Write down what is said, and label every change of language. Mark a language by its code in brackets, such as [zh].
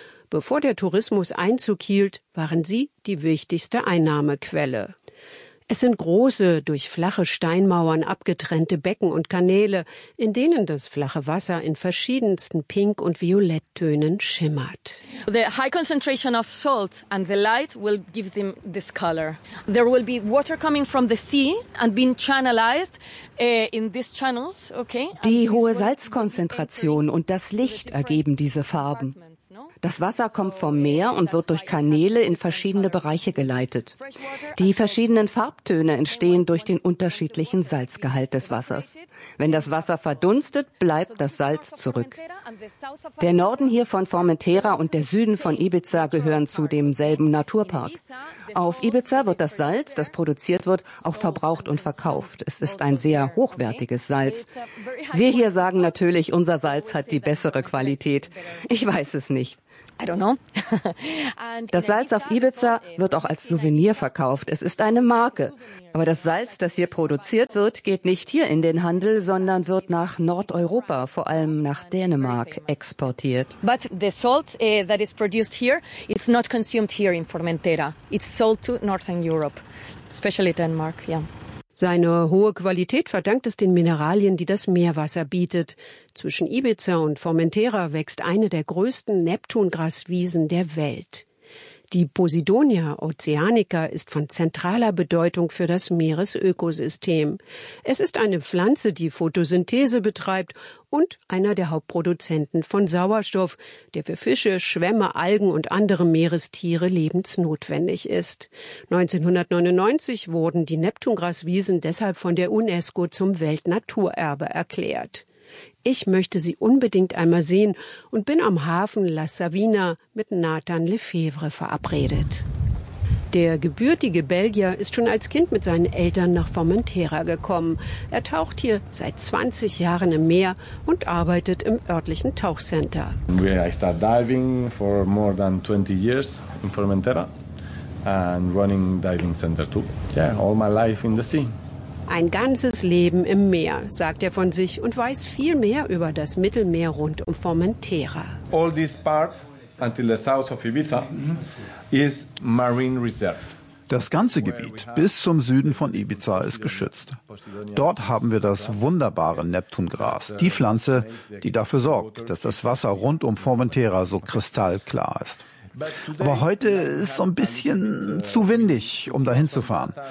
[de] Bevor der Tourismus Einzug hielt, waren sie die wichtigste Einnahmequelle. Es sind große, durch flache Steinmauern abgetrennte Becken und Kanäle, in denen das flache Wasser in verschiedensten Pink- und Violetttönen schimmert. [en] The high concentration of salt and the light will give them this color. There will be water coming from the sea and being channelized in these channels, okay? [de] Die hohe Salzkonzentration und das Licht ergeben diese Farben. Das Wasser kommt vom Meer und wird durch Kanäle in verschiedene Bereiche geleitet. Die verschiedenen Farbtöne entstehen durch den unterschiedlichen Salzgehalt des Wassers. Wenn das Wasser verdunstet, bleibt das Salz zurück. Der Norden hier von Formentera und der Süden von Ibiza gehören zu demselben Naturpark. Auf Ibiza wird das Salz, das produziert wird, auch verbraucht und verkauft. Es ist ein sehr hochwertiges Salz. Wir hier sagen natürlich, unser Salz hat die bessere Qualität. Ich weiß es nicht. [en] I don't know. [de] Das Salz auf Ibiza wird auch als Souvenir verkauft. Es ist eine Marke. Aber das Salz, das hier produziert wird, geht nicht hier in den Handel, sondern wird nach Nordeuropa, vor allem nach Dänemark, exportiert. [en] But the salt that is produced here is not consumed here in Formentera. It's sold to Northern Europe, especially Denmark, yeah. [de] Seine hohe Qualität verdankt es den Mineralien, die das Meerwasser bietet. Zwischen Ibiza und Formentera wächst eine der größten Neptungraswiesen der Welt. Die Posidonia oceanica ist von zentraler Bedeutung für das Meeresökosystem. Es ist eine Pflanze, die Photosynthese betreibt und einer der Hauptproduzenten von Sauerstoff, der für Fische, Schwämme, Algen und andere Meerestiere lebensnotwendig ist. 1999 wurden die Neptungraswiesen deshalb von der UNESCO zum Weltnaturerbe erklärt. Ich möchte sie unbedingt einmal sehen und bin am Hafen La Savina mit Nathan Lefebvre verabredet. Der gebürtige Belgier ist schon als Kind mit seinen Eltern nach Formentera gekommen. Er taucht hier seit 20 Jahren im Meer und arbeitet im örtlichen Tauchcenter. [en] I started diving for more than 20 years in Formentera. and running diving center too. Yeah, all my life in the sea. [de] Ein ganzes Leben im Meer, sagt er von sich und weiß viel mehr über das Mittelmeer rund um Formentera. [en] All this part until the south of Ibiza is marine reserve. [de] Das ganze Gebiet bis zum Süden von Ibiza ist geschützt. Dort haben wir das wunderbare Neptungras, die Pflanze, die dafür sorgt, dass das Wasser rund um Formentera so kristallklar ist. Aber heute ist so ein bisschen zu windig, um dahin zu fahren.